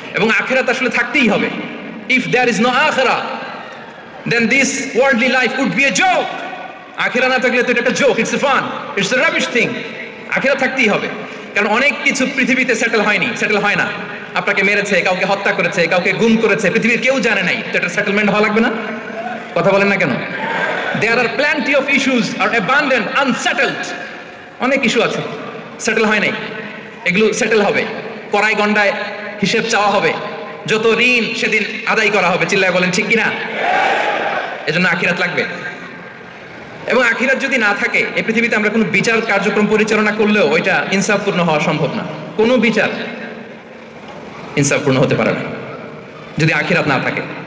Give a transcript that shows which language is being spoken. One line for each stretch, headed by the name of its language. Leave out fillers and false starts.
Bangla: এবং আখেরাত আসলে থাকতেই হবে,
English: if there is no আখেরা then this worldly life would be a joke,
Bangla: আখেরা না থাকলে তো এটা একটা joke,
English: It's a fun, it's a rubbish thing.
Bangla: আখেরা থাকতেই হবে, কারণ অনেক কিছু পৃথিবীতে সেটেল হয়নি, সেটেল হয় না। আপনাকে মেরেছে, কাউকে হত্যা করেছে, কাউকে গুম করেছে, পৃথিবীর কেউ জানে নাই, তো এটা সেটেলমেন্ট হওয়া লাগবে না? কথা বলেন না কেন?
English: There are plenty of issues are abandoned, unsettled.
Bangla: অনেক ইস্যু আছে, সেটেল হয় নাই, এগুলো সেটেল হবে, কড়াই গণ্ডায় হিসেব চাওয়া হবে, যত ঋণ সেদিন আদায় করা হবে, চিল্লায় বলেন, ঠিক কিনা? এজন্য আখিরাত লাগবে। এবং আখিরাত যদি না থাকে, এই পৃথিবীতে আমরা কোনো বিচার কার্যক্রম পরিচালনা করলেও ওইটা ইনসাফপূর্ণ হওয়া সম্ভব না, কোনো বিচার ইনসাফপূর্ণ হতে পারে না যদি আখিরাত না থাকে।